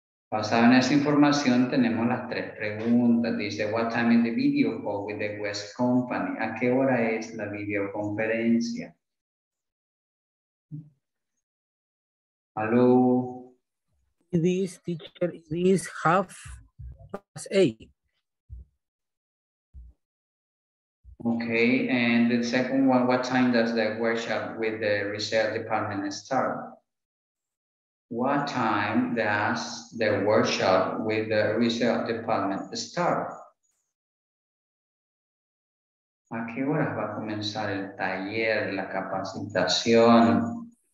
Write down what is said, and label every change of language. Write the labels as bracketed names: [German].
[Spanish] Basado en esa información, tenemos las tres preguntas. [English] Dice, what time is the video call with the West Company? [Spanish] ¿A qué hora es la videoconferencia? [English] Hello. It is, teacher, it is 8:30. Okay, and the second one, what time does the workshop with the research department start? What time does the workshop with the research department start? [Spanish] ¿A qué hora va a comenzar el taller, la capacitación?